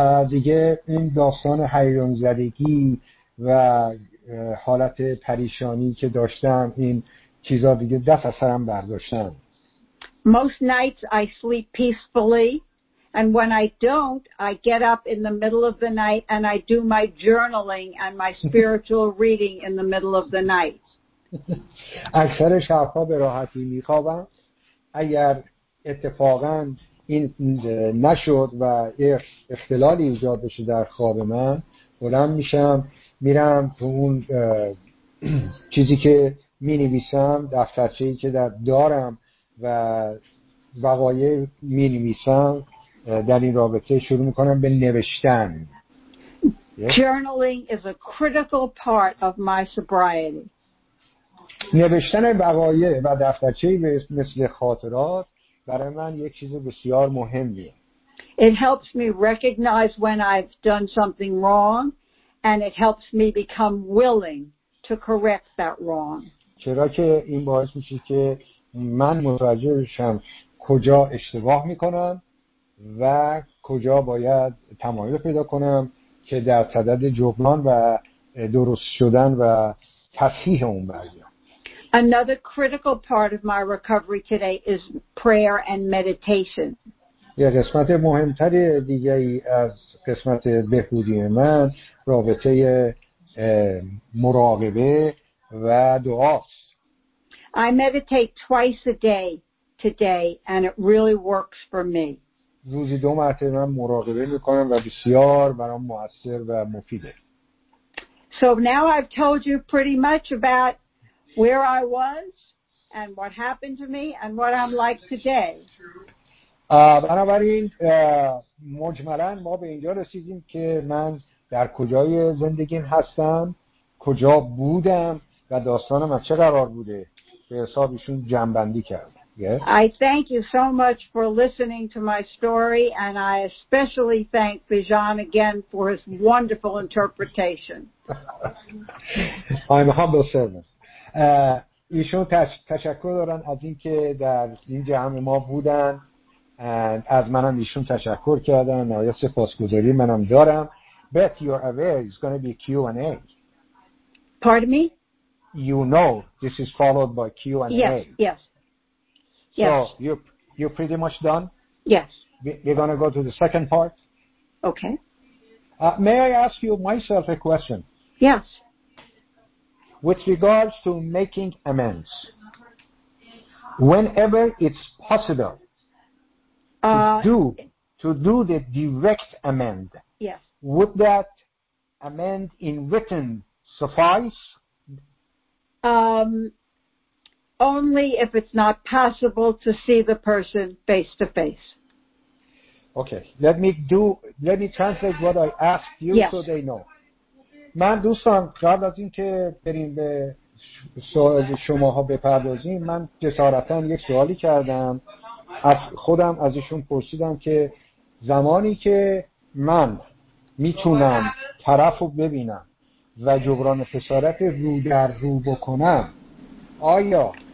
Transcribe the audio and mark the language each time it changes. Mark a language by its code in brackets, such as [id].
[fa] دیگه این داستان هیجان زدگی و حالت پریشانی که داشتم این چیزا دیگه دست از سرم برداشتن. [en] Most nights I sleep peacefully, and when I don't, I get up in the middle of the night and I do my journaling and my spiritual reading in the middle of the night. [fa] اکثر شبها به راحتی میخوابم. اگر اتفاقا این نشود و اختلالی ایجاد بشه در خواب من، بلند میشم میرم تو اون چیزی که مینویسم، دفترچه‌ای که در دارم و وقایع مینویسم، در این رابطه شروع میکنم به نوشتن. [en] Journaling is a critical part of my sobriety. [fa] نوشتن وقایع و دفترچه‌ای مثل خاطرات برای من یک چیز بسیار مهمه. [en] It helps me recognize when I've done something wrong and it helps me become willing to correct that wrong. [fa] چرا که این باعث میشه که من متوجه بشم کجا اشتباه میکنم و کجا باید تمایل پیدا کنم که در صدد جبران و درست شدن و تصحیح اون باشم. [en] Another critical part of my recovery today is prayer and meditation. [fa] یه قسمت مهمتر دیگه ای از قسمت بهبودی من رابطه مراقبه و دعاست. [en] I meditate twice a day today and it really works for me. [fa] روزی دو مرتبه من مراقبه میکنم و بسیار برام موثر و مفیده. [en] So now I've told you pretty much about where I was and what happened to me and what I'm like today. [fa] بنابراین مجملاً ما به اینجا رسیدیم که من در کجای زندگیم هستم، کجا بودم و داستانم از چه قرار بوده، به حساب ایشون جمع‌بندی کردم. [en] I thank you so much for listening to my story and I especially thank Bijan again for his wonderful interpretation. I'm humble servant. [fa] ایشون تشکر دارن از این که در این جمع ما بودن، از منم ایشون تشکر کردن، نهایت سپاسگزاری منم دارم. [en] But you're aware it's going to be Q&A. Pardon me? You know this is followed by Q&A. Yes. So you're pretty much done? Yes. We're going to go to the second part? Okay. May I ask you myself a question? Yes. With regards to making amends, whenever it's possible to do the direct amend, yes, would that amend in written suffice? Only if it's not possible to see the person face to face. Okay, let me translate what I asked you, yes, so they know. [fa] من دوستان قبل از این که بریم به سوال شماها بپردازیم، من جسارتاً یک سوالی کردم از خودم، ازشون پرسیدم که زمانی که من میتونم طرفو ببینم و جبران خسارت رو در رو بکنم، آیا